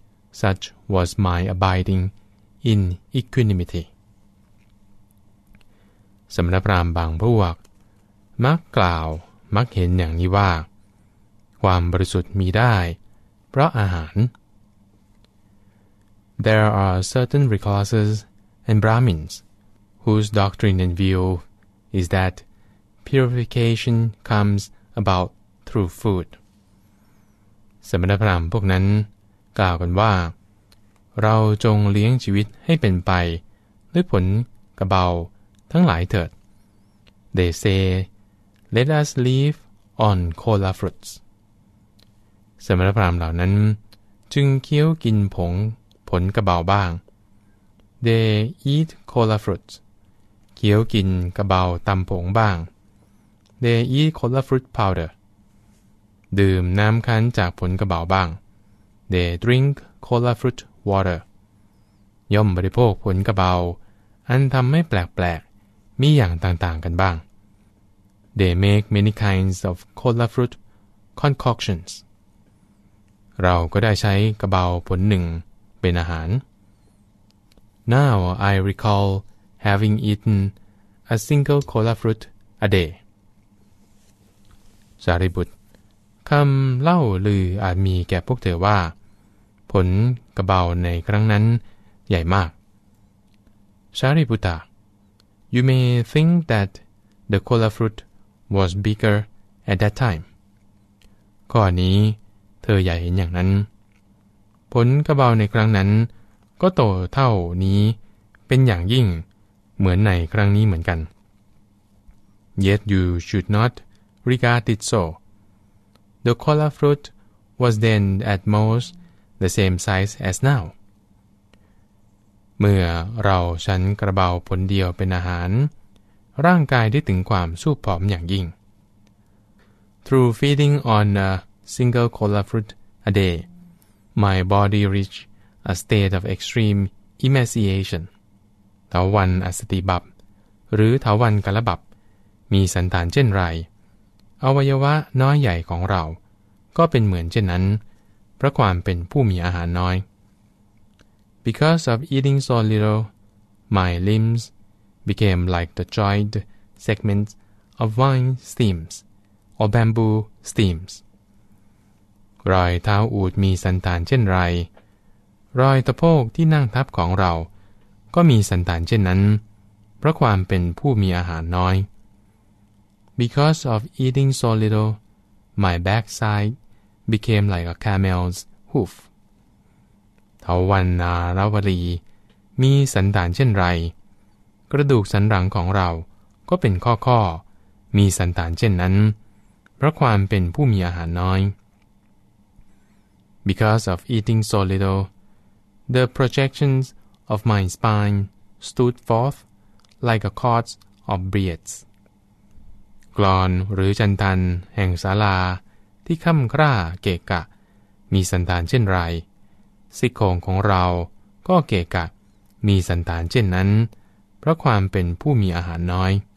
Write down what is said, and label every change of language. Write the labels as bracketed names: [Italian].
[English] Such was my abiding in equanimity. [Thai] สำนักพราหมณ์บางพวกมักกล่าวมักเห็นอย่างนี้ว่าความบริสุทธิ์มีได้เพราะอาหาร [English] There are certain recluses and Brahmins whose doctrine and view is that purification comes about through food. [Thai] สมณพราหมณ์พวกนั้นกล่าวกันว่าเราจงเลี้ยงชีวิตให้เป็นไปด้วยผลกระเบาทั้งหลายเถิด [English] They say, let us live on cola fruits. [Thai] สมณพราหมณ์เหล่านั้นจึงเคี้ยวกินผงผลกระเบาบ้าง [English] They eat cola fruits. [Thai] เคี้ยวกินกระเบาตำผงบ้าง [English] They eat cola fruit powder. [Thai] ดื่มน้ำคั้นจากผลกระเบาบ้าง [English] They drink cola fruit water. [Thai] ย่อมบริโภคผลกระเบาอันทำให้แปลกๆมีอย่างต่างๆกันบ้าง [English] They make many kinds of cola fruit concoctions. [Thai] เราก็ได้ใช้กระเบาผลหนึ่งเป็นอาหาร [English] Now I recall having eaten a single cola fruit a day. [Thai] สารีบุตรคำเล่าลืออาจมีแก่พวกเธอว่าผลกระเบาในครั้งนั้นใหญ่มาก [English] สารีบุตร You may think that the cola fruit was bigger at that time. [Thai] ข้อนี้เธออย่าเห็นอย่างนั้นผลกระเบาในครั้งนั้นก็โตเท่านี้เป็นอย่างยิ่งเหมือนในครั้งนี้เหมือนกัน [English] Yet you should not regard it so. The cola fruit was then at most the same size as now. [Thai] เมื่อเราฉันกระเบาผลเดียวเป็นอาหารร่างกายได้ถึงความสู้ผอมอย่างยิ่ง [English] Through feeding on a single cola fruit a day. My body reached a state of extreme emaciation. [Thai] ทาวันอัสติบับหรือทาวันกัลบับมีสันฐานเช่นไรอวัยวะน้อยใหญ่ของเราก็เป็นเหมือนเช่นนั้นเพราะความเป็นผู้มีอาหารน้อย [English] Because of eating so little, my limbs became like the joint segments of vine stems or bamboo stems. [Thai] รอยเท้าอูฐมีสันฐานเช่นไรรอยตะโพกที่นั่งทับของเราก็มีสันฐานเช่นนั้นเพราะความเป็นผู้มีอาหารน้อย [English] Because of eating so little, my backside became like a camel's hoof. [Thai] ทวันนารวรีมีสันฐานเช่นไรกระดูกสันหลังของเราก็เป็นข้อๆมีสันฐานเช่นนั้นเพราะความเป็นผู้มีอาหารน้อย [English] Because of eating so little, the projections of my spine stood forth like a cords of beards. [Thai] กลอนหรือจันทันแห่งศาลาที่ค่ำคร่าเกะกะมีสันฐานเช่นไรซี่โครงของเราก็เกะกะมีสันฐานเช่นนั้นเพราะความเป็นผู้มีอาหารน้อย